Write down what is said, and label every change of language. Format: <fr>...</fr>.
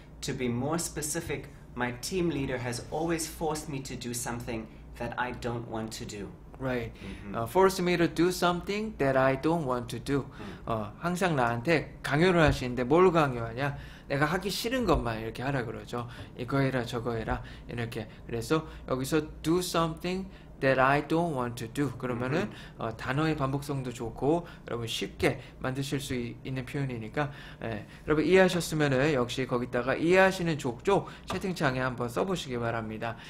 <en>To be more specific, my team leader has always forced me to do something that I don't want to do. Right. Force me to do something that I don't want to do.</en> <ko>항상 나한테 강요를 하시는데 뭘 강요하냐? 내가 하기 싫은 것만 이렇게 하라 그러죠. 이거 해라 저거 해라 이렇게. 그래서 여기서</ko> <en>do something that I don't want to do.</en> <ko>그러면은 단어의 반복성도 좋고 여러분 쉽게 만드실 수 있는 표현이니까 예, 여러분 이해하셨으면은 역시 거기다가 이해하시는 족족 채팅창에 한번 써보시기 바랍니다.</ko>